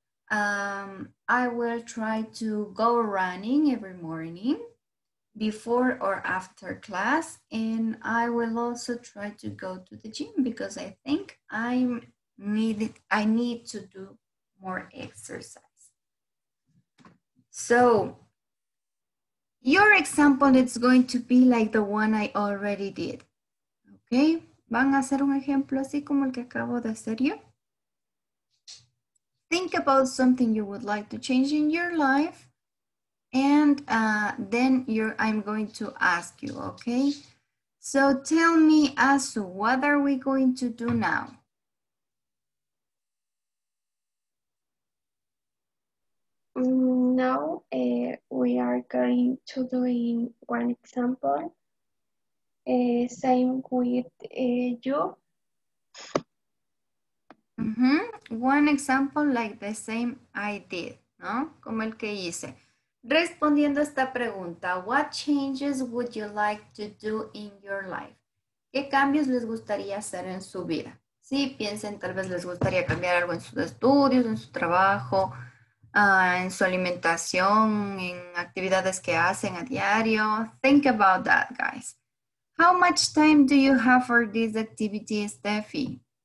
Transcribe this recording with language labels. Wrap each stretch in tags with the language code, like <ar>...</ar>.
<en>I will try to go running every morning before or after class. And I will also try to go to the gym because I think I'm I need to do more exercise. So your example is going to be like the one I already did. Okay?</en> <es>¿Van a hacer un ejemplo así como el que acabo de hacer yo?</es> <en>Think about something you would like to change in your life. And then I'm going to ask you, okay? So tell me, Asu, what are we going to do now? Now we are going to do in one example. Same with you. Mm-hmm. One example like the same I did, ¿no?</en> <es>Como el que hice. Respondiendo a esta pregunta,</es> <en>what changes would you like to do in your life?</en> <es>¿Qué cambios les gustaría hacer en su vida? Sí, piensen, tal vez les gustaría cambiar algo en sus estudios, en su trabajo, en su alimentación, en actividades que hacen a diario.</es> <en>Think about that, guys. How much time do you have for this activity, Steffi?</en>